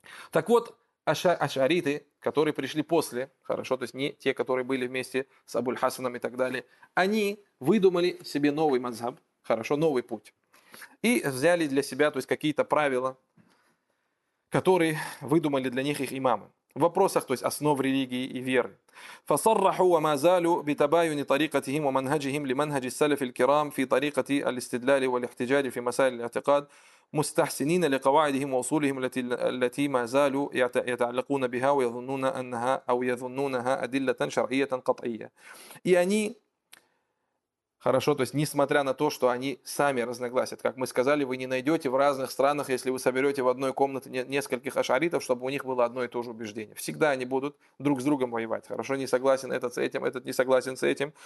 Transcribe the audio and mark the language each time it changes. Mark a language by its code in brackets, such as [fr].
[ru] Так вот, ашариты, которые пришли после, хорошо, то есть не те, которые были вместе с Абуль-Хасаном и так далее, они выдумали себе новый мазхаб, хорошо, новый путь. И взяли для себя, то есть какие-то правила, которые выдумали для них их имамы. В вопросах, то есть основ религии и веры. [ar] فصرحوا وما زالوا بتباين طريقتهم ومنهجهم لمنهج السلف الكرام في طريقة الاستدلال والاحتجاج في مسائل الاعتقاد مستحسنين لقواعدهم وأصولهم التي ما زالوا يتعلقون بها ويظنون أنها أو يظنونها أدلة شرعية قطعية. يعني [ru] хорошо, то есть несмотря на то, что они сами разногласят, как мы сказали, вы не найдете в разных странах, если вы соберете в одной комнате нескольких ашаритов, чтобы у них было одно и то же убеждение. Всегда они будут друг с другом воевать. Хорошо, не согласен этот с этим, этот не согласен с этим.